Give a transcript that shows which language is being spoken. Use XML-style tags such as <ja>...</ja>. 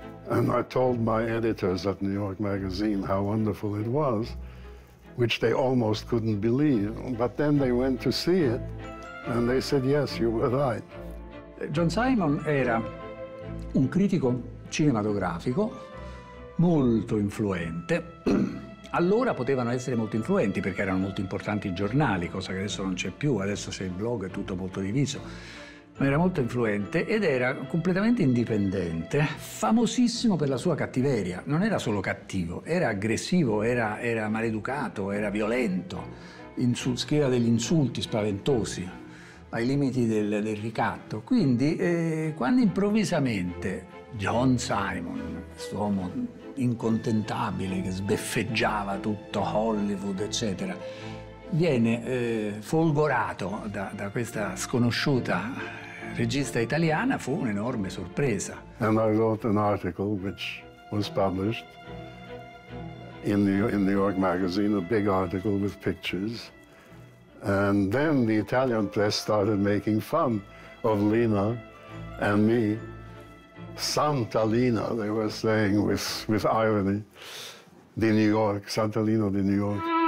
<en>And I told my editors at New York Magazine how wonderful it was, which they almost couldn't believe, but then they went to see it and they said, yes, you were right.</en> <it>John Simon era un critico cinematografico molto influente. Allora potevano essere molto influenti perché erano molto importanti i giornali, cosa che adesso non c'è più, adesso c'è il blog, è tutto molto diviso. Ma era molto influente ed era completamente indipendente, famosissimo per la sua cattiveria. Non era solo cattivo, era aggressivo, era maleducato, era violento, scriveva degli insulti spaventosi ai limiti del ricatto. Quindi quando improvvisamente John Simon, questo uomo incontentabile che sbeffeggiava tutto Hollywood, eccetera, viene folgorato da questa sconosciuta regista italiana, fu un'enorme sorpresa.</it> <en>And I wrote an article which was published in New York Magazine, a big article with pictures. And then the Italian press started making fun of Lina and me. Santa Lina, they were saying with irony,</en> <it>di New York, Santa Lina di New York.</it>